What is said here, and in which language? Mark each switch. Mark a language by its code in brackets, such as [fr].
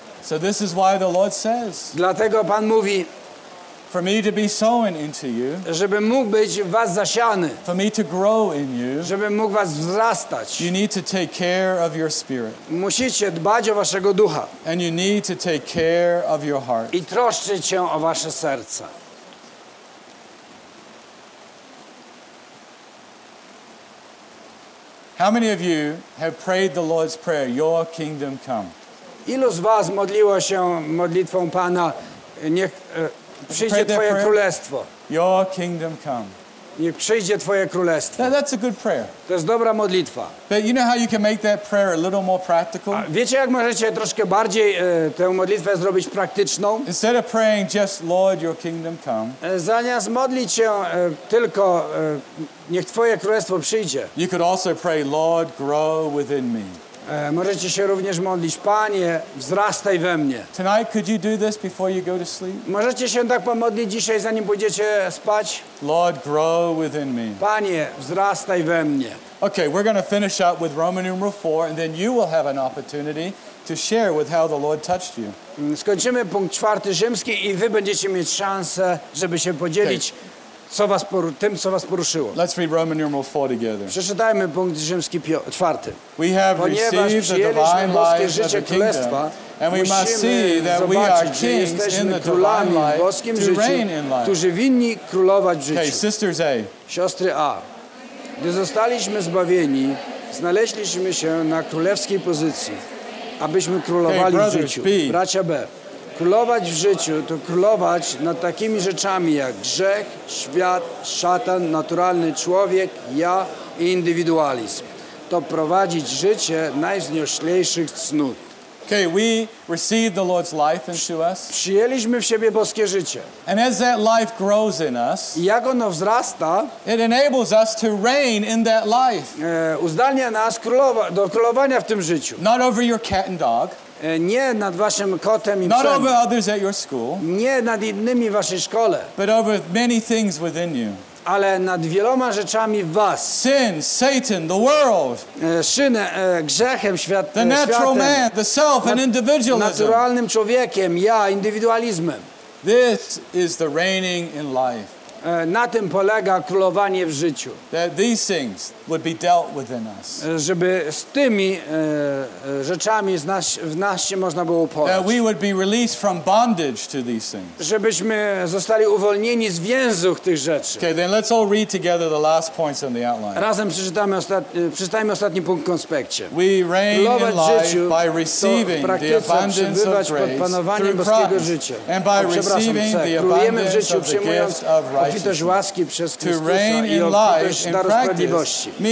[en] So this is why the Lord says. [pl] Dlatego Pan mówi. [en] For me to be sown into you. [pl] Żebym mógł być w was zasiany. [en] For me to grow in you. [pl] Żebym mógł was wzrastać. [en] You need to take care of your spirit. [pl] Musicie dbać o waszego ducha. [en] And you need to take care of your heart. [pl] I troszczyć się o wasze serca. [en] How many of you have prayed the Lord's prayer, "Your kingdom come"? [pl] Ilu z was modliło się modlitwą Pana, niech przyjdzie Twoje królestwo. [en] Your kingdom come. [pl] Niech przyjdzie Twoje królestwo. [en] That's a good prayer. [pl] To jest dobra modlitwa. [en] But you know how you can make that prayer a little more practical? [pl] Wiecie, jak możecie troszkę bardziej tę modlitwę zrobić praktyczną? [en] Instead of praying just Lord, your kingdom come. [pl] Zamiast modlić się tylko niech Twoje królestwo przyjdzie. [en] You could also pray Lord, grow within me. [pl] Możecie się również modlić, Panie, wzrastaj we mnie. [en] Tonight, could you do this before you go to sleep? [pl] Możecie się tak pomodlić dzisiaj, zanim pójdziecie spać? [en] Lord, grow within me. [pl] Panie, wzrastaj we mnie. [en] Okay, we're going to finish up with Roman numeral 4, and then you will have an opportunity to share with how the Lord touched you. [pl] Skończymy punkt czwarty rzymski i wy będziecie mieć szansę, żeby się podzielić. Okay. Co was poruszyło. [en] Let's read Roman numeral 4 together. [pl] Przeczytajmy punkt rzymski 4. [en] We have received the divine life of the kingdom, and we must see that we are kings in the divine life, [pl] boskim to życiu, [en] reign in life. [pl] Którzy winni królować w życiu. [en] Okay, sisters A. [pl] Siostry A. Gdy zostaliśmy zbawieni, znaleźliśmy się na królewskiej pozycji, abyśmy królowali [en] okay, brothers, [pl] w życiu. B. Bracia B. Królować w życiu to królować nad takimi rzeczami jak grzech, świat, szatan, naturalny człowiek, ja i indywidualizm. To prowadzić życie najwznioślejszych cnót. [en] Okay, we received the Lord's life into us. [pl] Przyjęliśmy w siebie boskie życie. [en] And as that life grows in us, [pl] jak ono wzrasta, [en] it enables us to reign in that life. [pl] Uzdalnia nas do królowania w tym życiu. [en] Not over your cat and dog. [pl] Nie nad waszym kotem i [en] psem. Not over others at your school. [pl] Nie nad innymi w waszej szkole. [en] But over many things within you. [pl] Ale nad wieloma rzeczami w was. [en] Sin, Satan, the world. [pl] Szynę, grzechem, światem. [en] The natural man, the self and individualism. [pl] Naturalnym człowiekiem, ja, indywidualizmem. [en] This is the reigning in life. [pl] Na tym polega królowanie w życiu. [en] That these things would be dealt within us. [pl] Żeby z tymi rzeczami w nas się można było uporać. [en] That we would be released from bondage to these things. [pl] Żebyśmy zostali uwolnieni z więzów tych rzeczy. [en] Okay, then let's all read together the last points on the outline. [pl] Razem przeczytajmy ostatni punkt w konspekcie. [en] We reign in life by receiving the abundance of grace through Christ. And by receiving the abundance of the gift of righteousness. [pl] Obfitość łaski przez Chrystusa i obfitość daru sprawiedliwości.